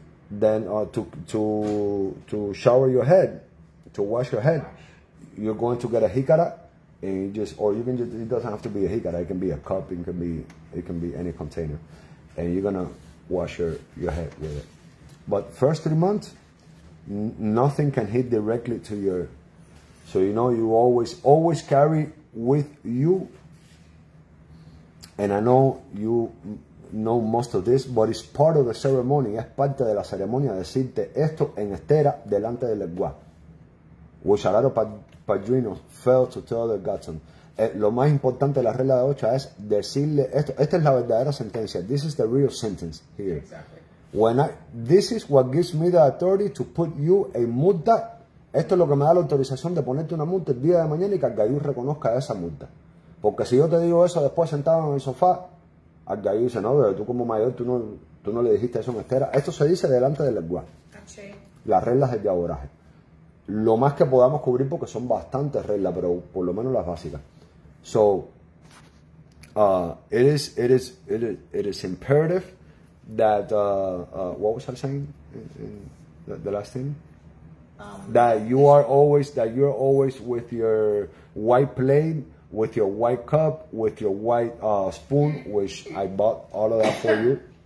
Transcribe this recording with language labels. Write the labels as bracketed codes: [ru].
[en] Then to shower your head, to wash your head, you're going to get a jicara, and you just or you can just it doesn't have to be a jicara, it can be a cup, it can be any container, and you're gonna wash your head with it. But first 3 months, nothing can hit directly to your, so you know you always carry with you. And I know you know most of this, but it's part of the ceremony. [es] Es parte de la ceremonia decirte esto en estera delante del gua. [en] Which a lot of padrinos fail to tell their godson. [es] Lo más importante de la regla de ocho es decirle esto. Esta es la verdadera sentencia. [en] This is the real sentence here. Exactly. When I, this is what gives me the authority to put you a multa. [es] Esto es lo que me da la autorización de ponerte una multa el día de mañana y que el gallo reconozca esa multa. Porque si yo te digo eso después sentado en el sofá, al gallo dice, no, pero tú como mayor, tú no le dijiste eso en estera. Esto se dice delante del lenguaje. Caché. Las reglas del diaboraje. Lo más que podamos cubrir, porque son bastantes reglas, pero por lo menos las básicas. [en] So, it is imperative that, what was I saying? The last thing? That you are always with your white plate, with your white cup, with your white spoon, which I bought all of that for you.